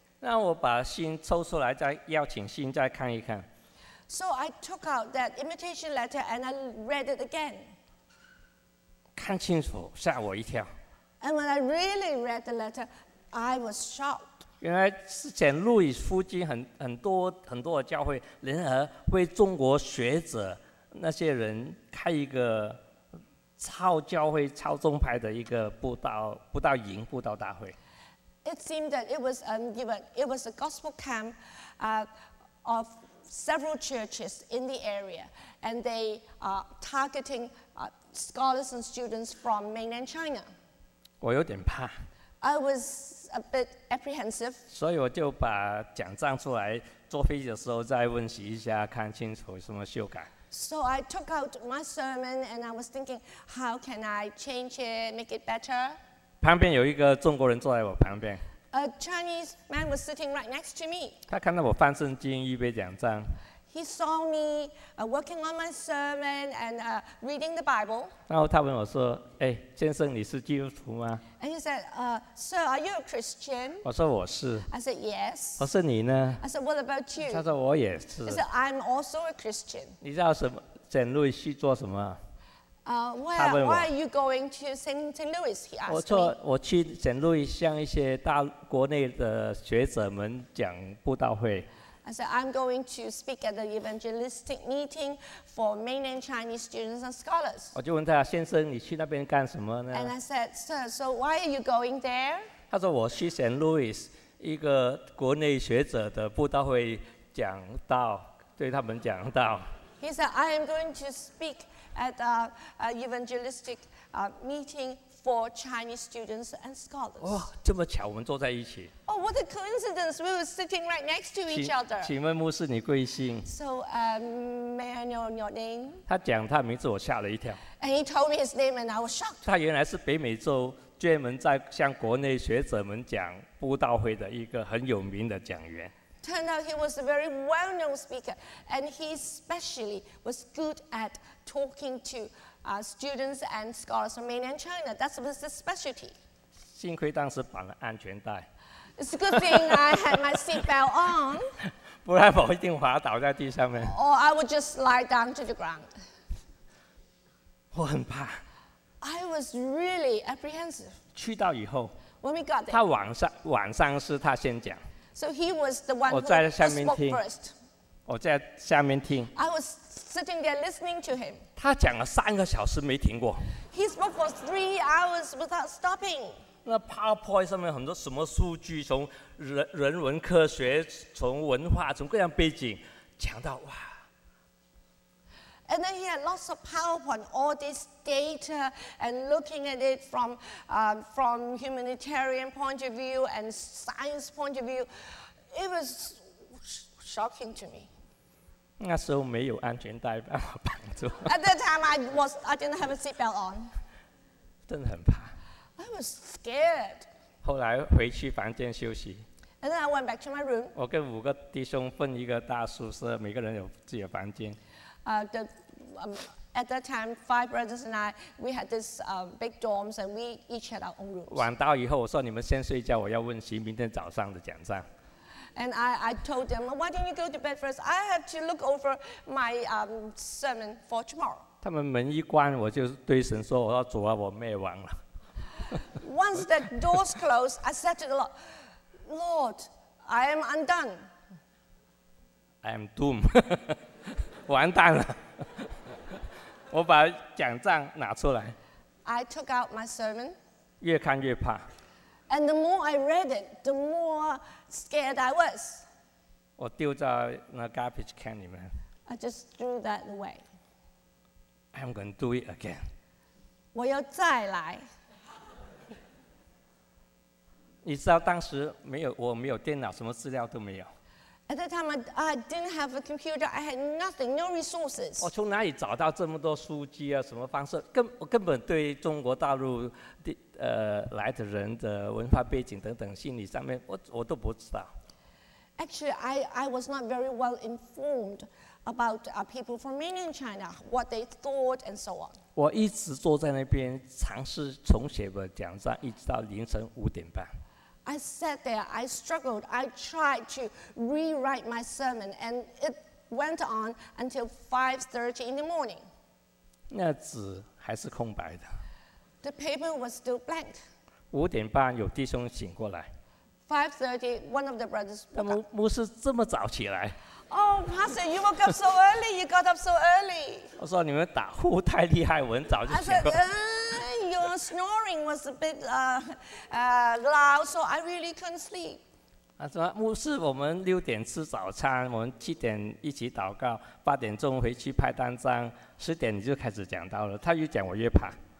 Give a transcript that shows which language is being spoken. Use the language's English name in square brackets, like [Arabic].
[Chinese] 让我把信抽出来，再邀请信再看一看。 [English] So I took out that invitation letter and I read it again. [Chinese] 看清楚，吓我一跳。 [English] And when I really read the letter, I was shocked. [Chinese] 原来是讲路易夫金 很多的教会联合为中国学者那些人开一个超教会超宗派的一个布道营布道大会。 [English] It seemed that it was a gospel camp of several churches in the area, and they are targeting scholars and students from mainland China. [Chinese] 我有点怕。 [English] I was a bit apprehensive. [Chinese] 所以我就把奖章出来，坐飞机的时候再温习一下，看清楚什么修改。 [English] So I took out my sermon and I was thinking, how can I change it, make it better? [Chinese] 旁边有一个中国人坐在我旁边。 [English] A Chinese man was sitting right next to me. [Chinese] 他看到我翻圣经、预备奖章。 [English] He saw me working on my sermon and reading the Bible. [Chinese] 然后他问我说：“哎，先生，你是基督徒吗？” [English] And he said, "Sir, are you a Christian?" [Chinese] 我说我是。 [English] I said yes. [Chinese] 我说你呢 [English] ？I said, "What about you?" [Chinese] 他说我也是。 [English] He said, "I'm also a Christian." [Chinese] 你知道什么 ？St. Louis 去做什么 [English] ？Why are you going to St. Louis? He asked me. [Chinese] 我说我去 St. Louis 向一些大国内的学者们讲布道会。 [English] I said, I'm going to speak at the evangelistic meeting for mainland Chinese students and scholars. [Chinese] 我就问他，先生，你去那边干什么呢？ [English] And I said, sir, so why are you going there? [Chinese] 他说我去 St. Louis 一个国内学者的布道会讲道，对他们讲道。 [English] He said, I am going to speak at a evangelistic meeting for Chinese students and scholars. [Chinese] 哇，这么巧，我们坐在一起。 [English] Oh, what a coincidence! We were sitting right next to each other. [Chinese] 请问牧师，你贵姓 [English] ？So, may I know your name? [Chinese] 他讲他名字，我吓了一跳。 [English] And he told me his name, and I was shocked. [Chinese] 他原来是北美洲专门在向国内学者们讲布道会的一个很有名的讲员。 [English] Turned out he was a very well-known speaker, and he especially was good at talking to students and scholars from mainland China. That was his specialty. [Chinese] 幸亏当时绑了安全带。 [English] It's a good thing I had my seatbelt on. [Chinese] 不然我一定滑倒在地上面。 [English] Or I would just lie down to the ground. [Chinese] 我很怕。 [English] I was really apprehensive. [Chinese] 去到以后。 [English] When we got there. [Chinese] 他晚上是他先讲。 [English] So he was the one who spoke first. [Chinese] 我在下面听。 [English] I was sitting there listening to him. [Chinese] 他讲了三个小时没停过。 [English] He spoke for 3 hours without stopping. [Chinese] 那 PowerPoint 上面很多什么数据，从 人文科学，从文化，从各样背景，讲到哇。 [English] And then he had lots of PowerPoint, all this data, and looking at it from humanitarian point of view and science point of view, it was shocking to me. [Chinese] 那时候没有安全带把我绑住。 [English] At that time, I didn't have a seatbelt on. [Chinese] 真的很怕。 [English] I was scared. [Chinese] 后来回去房间休息。 [English] And then I went back to my room. [Chinese] 我跟五个弟兄分一个大宿舍，每个人有自己的房间。 [English] At that time, five brothers and I, we had this big dorms, and we each had our own rooms. [Chinese] 晚到以后，我说你们先睡觉，我要温习明天早上的讲章。 [English] And I told them, why don't you go to bed first? I have to look over my sermon for tomorrow. [Chinese] 他们门一关，我就对神说：“我说主啊，我灭亡了。 [English] ” Once that doors closed, I said to the Lord, "Lord, I am undone. I am doomed. [Chinese] 完蛋了。”我把讲章拿出来。 [English] I took out my sermon. [Chinese] 越看越怕。 [English] And the more I read it, the more scared I was. [Chinese] 我丢在那 garbage can 里面。 [English] I just threw that away. I'm going to do it again. [Chinese] 我要再来。你知道当时没有，我没有电脑，什么资料都没有。 [English] At that time, I didn't have a computer. I had nothing, no resources. [Chinese] 我从哪里找到这么多书籍啊？什么方式？我根本对中国大陆的来的人的文化背景等等心理上面，我都不知道。 [English] Actually, I was not very well informed about people from mainland China, what they thought, and so on. [Chinese] 我一直坐在那边尝试重写的讲章，一直到凌晨五点半。 [English] I sat there, I struggled, I tried to rewrite my sermon, and it went on until 5:30 in the morning. [Chinese] 那纸还是空白的。 [English] The paper was still blank. [Chinese] 五点半有弟兄醒过来。 [English] 5:30, one of the brothers woke up. [Chinese] 牧师这么早起来。 [English] Oh, Pastor, you woke up so early, you got up so early. [Chinese] 我说你们打呼太厉害，我很早就醒过来。 [English] Your snoring was a bit loud, so I really couldn't sleep. [Chinese] 他说：“牧师，我们六点吃早餐，我们七点一起祷告，八点钟回去拍单张，十点你就开始讲到了。”他越讲我越怕。